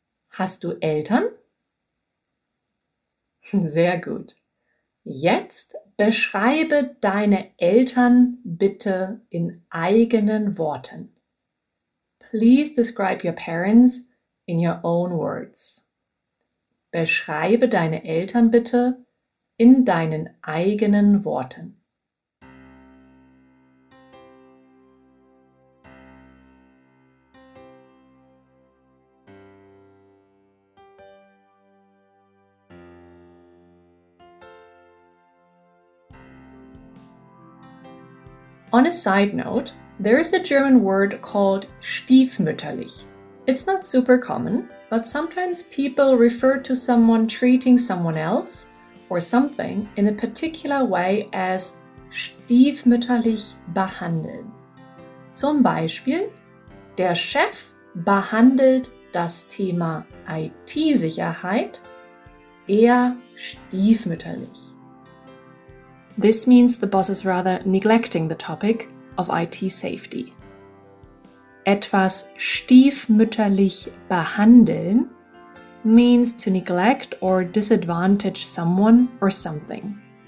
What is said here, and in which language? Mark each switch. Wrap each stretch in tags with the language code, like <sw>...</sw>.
<de>Hast du Eltern? Sehr gut. Jetzt beschreibe deine Eltern bitte in eigenen Worten.</de> <en>Please describe your parents in your own words.</en> <de>Beschreibe deine Eltern bitte in deinen eigenen Worten.</de> <en>On a side note, there is a German word called stiefmütterlich. It's not super common, but sometimes people refer to someone treating someone else or something in a particular way as</en> <de>stiefmütterlich behandeln. Zum Beispiel, der Chef behandelt das Thema IT-Sicherheit eher stiefmütterlich.</de> <en>This means the boss is rather neglecting the topic of IT safety.</en> <de>Etwas stiefmütterlich behandeln</de> <en>means to neglect or disadvantage someone or something.</en>